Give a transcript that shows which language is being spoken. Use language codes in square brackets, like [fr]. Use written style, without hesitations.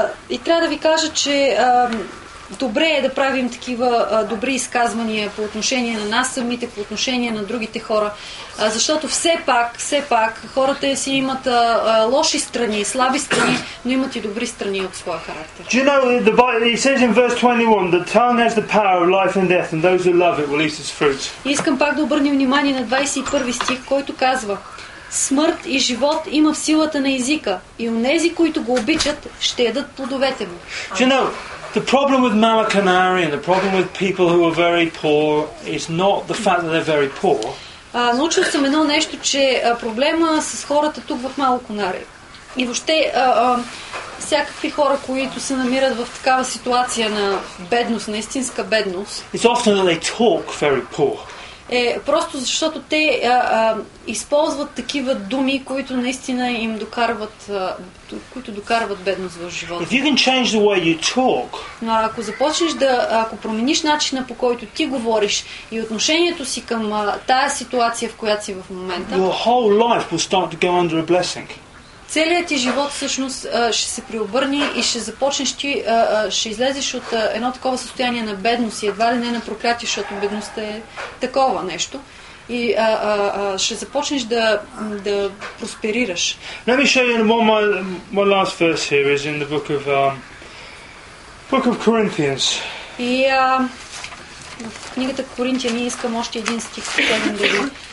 [bg] И трябва да ви кажа, че добре е да правим такива добри изказвания по отношение на нас самите, по отношение на другите хора. Защото все пак, хората си имат лоши страни, слаби страни, но имат и добри страни от своя характер. [en] Do you know, the Bible, he says in verse 21, the tongue has the power of life and death, and those who love it will eat its fruit. [bg] Искам пак да обърнем внимание на 21 стих, който казва: смърт и живот има в силата на езика, и онези, които го обичат, ще ядат плодовете му. [en] You know, the problem with Mama Canary and the problem with people who are very poor is not the fact that they're very poor. [bg] Научил съм едно нещо, че проблема с хората тук в Мало Конари и въобще всякакви хора, които се намират в такава ситуация на бедност, на истинска бедност, [en] it's often that they talk very poor. [bg] Е просто защото те използват такива думи, които наистина им докарват, които докарват бедност в живота. [en] If you can change the way you talk, [bg] но ако започнеш да, ако промениш начина, по който ти говориш и отношението си към тая ситуация, в която си в момента, [en] your whole life will start to go under a blessing. [bg] Целият ти живот всъщност ще се преобърни и ще започнеш ти, ще излезеш от едно такова състояние на бедност и едва ли не на проклятие, защото бедността е такова нещо. И ще започнеш да просперираш. [en] Let me show you my last verse here is in the book of Corinthians. [bg] И в книгата Коринтияни искам още един стих с тези дни.